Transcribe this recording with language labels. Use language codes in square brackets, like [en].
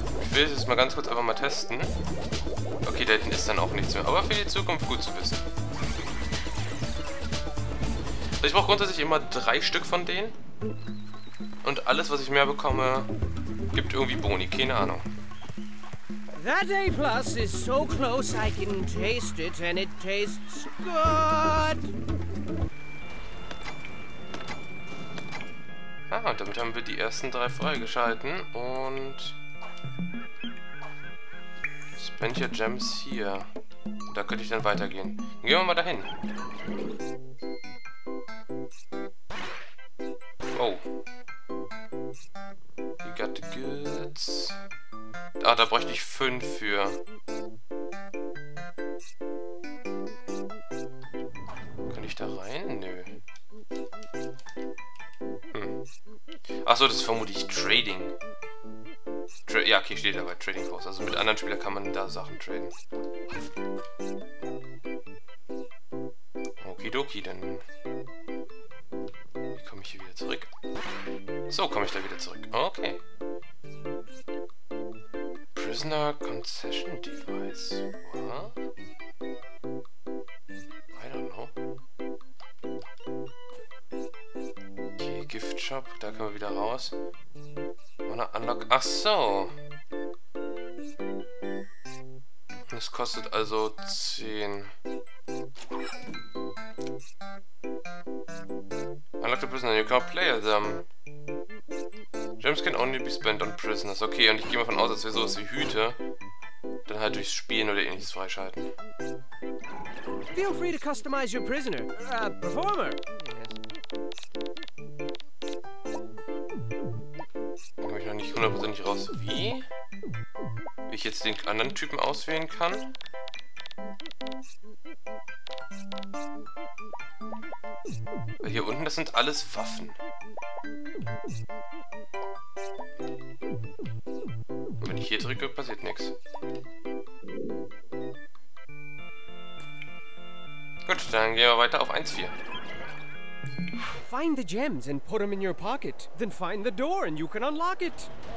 [de] Ich will es jetzt mal ganz kurz einfach mal testen. Okay, da hinten ist dann auch nichts mehr. Aber für die Zukunft gut zu wissen. Also ich brauche grundsätzlich immer 3 Stück von denen. Und alles, was ich mehr bekomme, gibt irgendwie Boni. Keine Ahnung. [en] That A plus is so close I can taste it and it tastes good. [de] Ah, und damit haben wir die ersten 3 freigeschalten und... Spencer Gems hier. Da könnte ich dann weitergehen. Gehen wir mal dahin. [en] Oh. We got the goods. [de] Ah, da bräuchte ich 5 für. Kann ich da rein? Nö. Achso, das ist vermutlich Trading. Ja, okay, steht da bei Trading Post. Also mit anderen Spielern kann man da Sachen traden. Okidoki, dann... Wie komme ich hier wieder zurück? So komme ich da wieder zurück. Okay. [en] Prisoner Concession Device. What? I don't know. Okay, Gift Shop. [de] Da können wir wieder raus. [en] Wanna unlock... [de] Ach so. Das kostet also 10. [en] Unlock the prisoner, you can't play them. Gems can only be spent on prisoners. [de] Okay, und ich gehe mal davon aus, dass wir sowas wie Hüte dann halt durchs Spielen oder ähnliches freischalten. [en] Feel free to customize your prisoner. Performer. Yes. [de] Komme ich noch nicht hundertprozentig raus. Wie? Wie ich jetzt den anderen Typen auswählen kann? Hier unten, das sind alles Waffen. Und wenn ich hier drücke, passiert nichts. Gut, dann gehen wir weiter auf 1-4. [en] Find the gems and put them in your pocket. Then find the door and you can unlock it.